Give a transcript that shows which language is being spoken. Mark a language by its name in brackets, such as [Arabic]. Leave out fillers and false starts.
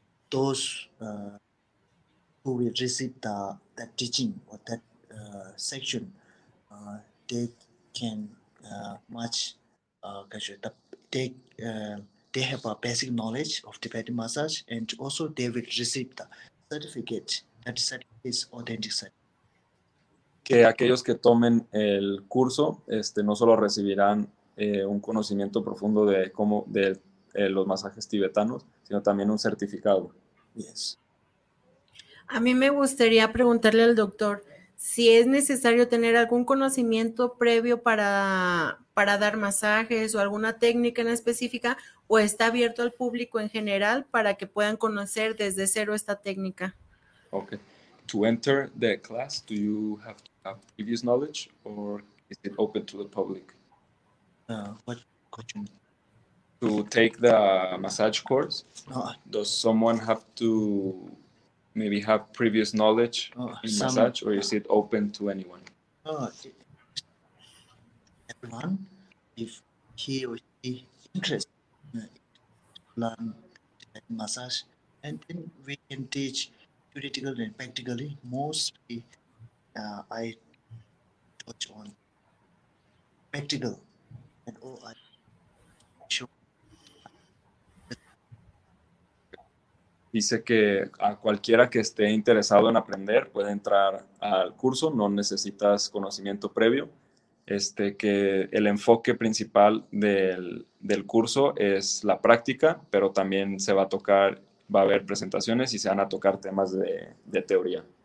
[English] Those who will receive that teaching or that section, they have a basic knowledge of Tibetan massage, and also they will receive the certificate. That certificate is authentic certificate. [Spanish] Que aquellos que tomen el curso, no solo recibirán un conocimiento profundo de cómo los masajes tibetanos, sino también un certificado. [English] Yes. [Spanish] A mí me gustaría preguntarle al doctor si es necesario tener algún conocimiento previo para dar masajes o alguna técnica en específica, o está abierto al público en general para que puedan conocer desde cero esta técnica. [English] Okay. To enter the class, do you have to have previous knowledge or is it open to the public? What question? To take the massage course, does someone have to maybe have previous knowledge in massage, or is it open to anyone? Everyone, if he or she interested in learn massage, and then we can teach theoretically and practically. Mostly, I touch on practical, and I show. [Spanish] Dice que a cualquiera que esté interesado en aprender puede entrar al curso, no necesitas conocimiento previo. Que el enfoque principal del curso es la práctica, pero también se va a tocar, va a haber presentaciones y se van a tocar temas de teoría.